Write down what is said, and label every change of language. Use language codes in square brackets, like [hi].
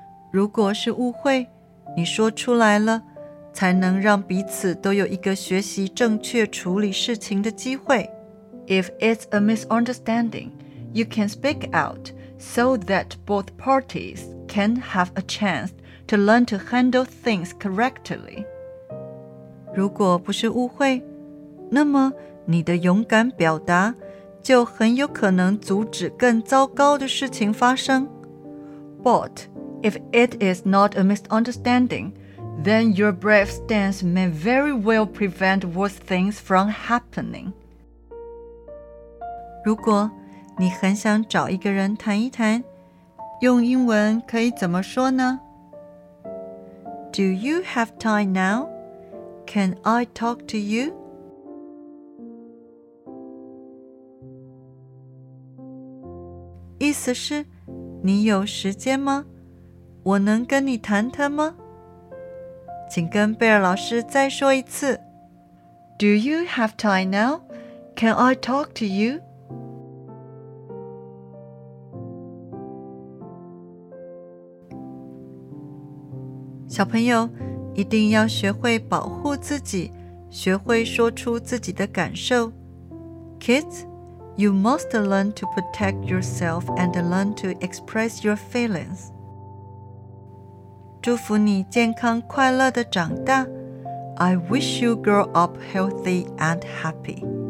[zh] 如果是误会，你说出来了，才能让彼此都有一个学习正确处理事情的机会。 [en] If it's a misunderstanding, you can speak out so that both parties can have a chanceto learn to handle things correctly. [zh] 如果不是误会，那么你的勇敢表达就很有可能阻止更糟糕的事情发生。 [en] But if it is not a misunderstanding, then your brave stance may very well prevent worse things from happening. [zh] 如果你很想找一个人谈一谈，用英文可以怎么说呢？ [en] Do you have time now? Can I talk to you? [zh] 意思是，你有时间吗？我能跟你谈谈吗？请跟贝尔老师再说一次。 [en] Do you have time now? Can I talk to you? [zh] 小朋友，一定要学会保护自己，学会说出自己的感受。 [en] Kids, you must learn to protect yourself and learn to express your feelings. [zh] 祝福你健康快乐地长大。 [en] I wish you grow up healthy and happy.